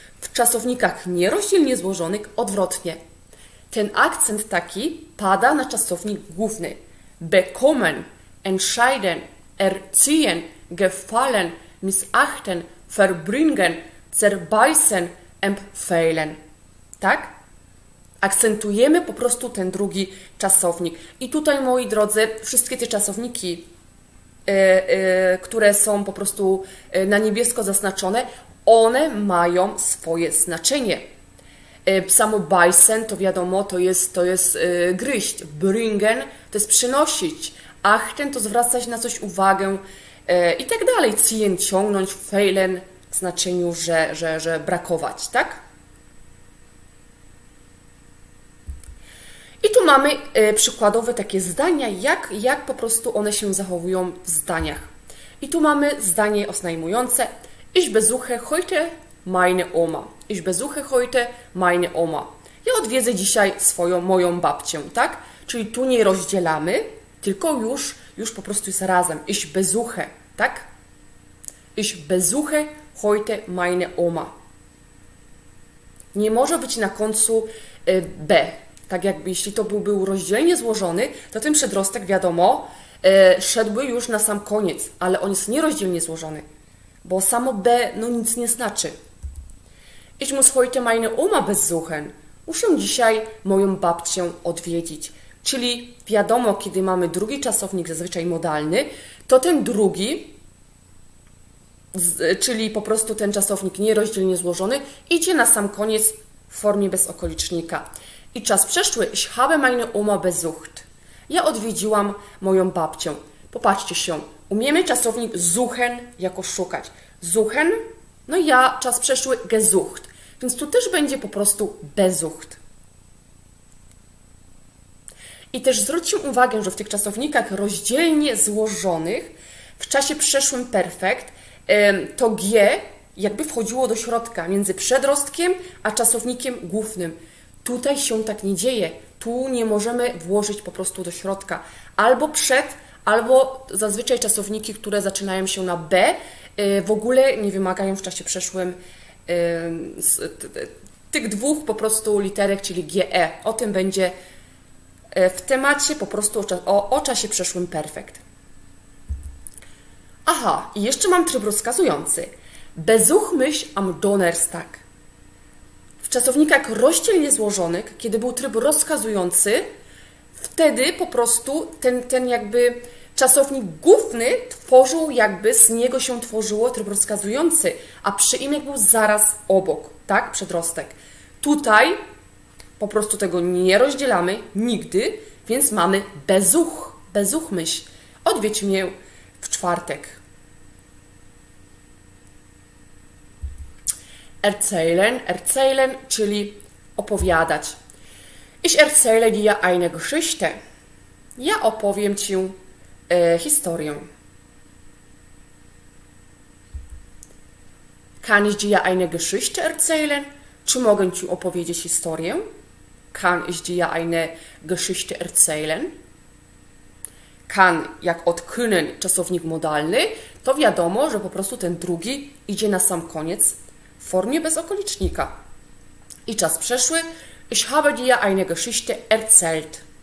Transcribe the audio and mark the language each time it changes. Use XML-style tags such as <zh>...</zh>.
<pl>W czasownikach nierozdzielnie złożonych odwrotnie. Ten akcent taki pada na czasownik główny.</pl> <de>Bekommen, entscheiden, erziehen, gefallen, missachten, verbringen, zerbeißen, empfehlen.</de> <pl>Tak? Akcentujemy po prostu ten drugi czasownik. I tutaj, moi drodzy, wszystkie te czasowniki, które są po prostu na niebiesko zaznaczone, one mają swoje znaczenie. Samo beißen, to wiadomo, to jest gryźć. Bringen, to jest przynosić. Achten, to zwracać na coś uwagę. I tak dalej. Ziehen, ciągnąć. Fehlen, w znaczeniu, że brakować, tak? I tu mamy przykładowe takie zdania, jak po prostu one się zachowują w zdaniach. I tu mamy zdanie oznajmujące.</pl> <de>Ich besuche heute meine Oma. Ich besuche heute meine Oma.</de> <pl>Ja odwiedzę dzisiaj swoją, moją babcię, tak? Czyli tu nie rozdzielamy, tylko już po prostu jest razem.</pl> <de>Ich besuche, tak? Ich besuche heute meine Oma.</de> <pl>Nie może być na końcu B. Tak jakby, jeśli to był rozdzielnie złożony, to ten przedrostek, wiadomo, szedłby już na sam koniec, ale on jest nierozdzielnie złożony, bo samo B no nic nie znaczy.</pl> <de>Ich muss heute meine Oma besuchen.</de> <pl>Muszę dzisiaj moją babcię odwiedzić. Czyli wiadomo, kiedy mamy drugi czasownik, zazwyczaj modalny, to ten drugi, czyli po prostu ten czasownik nierozdzielnie złożony, idzie na sam koniec w formie bez okolicznika. I czas przeszły.</pl> <de>Ich habe meine Oma besucht.</de> <pl>Ja odwiedziłam moją babcię. Popatrzcie się. Umiemy czasownik suchen jako szukać. Suchen. No ja czas przeszły gesucht, więc tu też będzie po prostu besucht. I też zwróćcie uwagę, że w tych czasownikach rozdzielnie złożonych w czasie przeszłym perfekt to g jakby wchodziło do środka między przedrostkiem a czasownikiem głównym. Tutaj się tak nie dzieje. Tu nie możemy włożyć po prostu do środka. Albo przed, albo zazwyczaj czasowniki, które zaczynają się na b, w ogóle nie wymagają w czasie przeszłym tych dwóch po prostu literek, czyli GE. O tym będzie w temacie po prostu o czasie przeszłym perfekt. Aha, i jeszcze mam tryb rozkazujący.</pl> <de>Besuch mich am Donnerstag.</de> <pl>W czasownikach rozdzielnie złożonych, kiedy był tryb rozkazujący, wtedy po prostu ten jakby czasownik główny tworzył, jakby z niego się tworzyło tryb rozkazujący, a przyimek był zaraz obok, tak? Przedrostek. Tutaj po prostu tego nie rozdzielamy nigdy, więc mamy</pl> <de>besuch, besuch mich.</de> <pl>Odwiedź mnie w czwartek. erzählen, erzählen, czyli opowiadać.</pl> <de>Ich erzähle dir eine Geschichte.</de> <pl>Ja opowiem ci historię.</pl> <de>Kann ich dir eine Geschichte erzählen?</de> <pl>Czy mogę ci opowiedzieć historię?</pl> <de>Kann ich dir eine Geschichte erzählen?</de> <pl>Kann, jak od können, czasownik modalny, to wiadomo, że po prostu ten drugi idzie na sam koniec w formie bez okolicznika. I czas przeszły.</pl> <de>Ich habe dir eine Geschichte erzählt.</de>